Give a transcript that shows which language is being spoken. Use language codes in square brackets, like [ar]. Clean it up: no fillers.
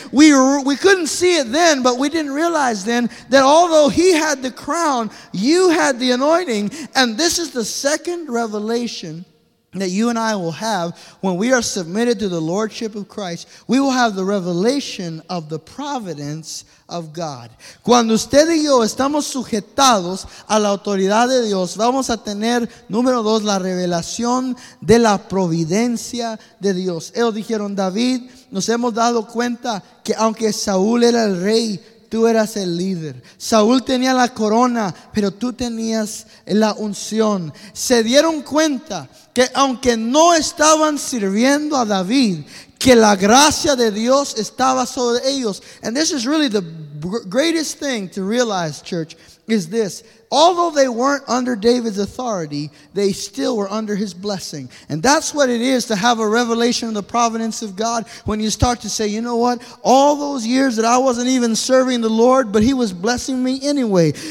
[en] We couldn't see it then, but we didn't realize then that although he had the crown, you had the anointing." And this is the second revelation that you and I will have when we are submitted to the Lordship of Christ. We will have the revelation of the providence of God. [es] Cuando usted y yo estamos sujetados a la autoridad de Dios, vamos a tener, número dos, la revelación de la providencia de Dios. Ellos dijeron, "David, nos hemos dado cuenta que aunque Saúl era el rey, tú eras el líder. Saúl tenía la corona, pero tú tenías la unción." Se dieron cuenta que aunque no estaban sirviendo a David, que la gracia de Dios estaba sobre ellos. [en] And this is really the greatest thing to realize, church, is this. Although they weren't under David's authority, they still were under his blessing. And that's what it is to have a revelation of the providence of God, when you start to say, "You know what? All those years that I wasn't even serving the Lord, but he was blessing me anyway.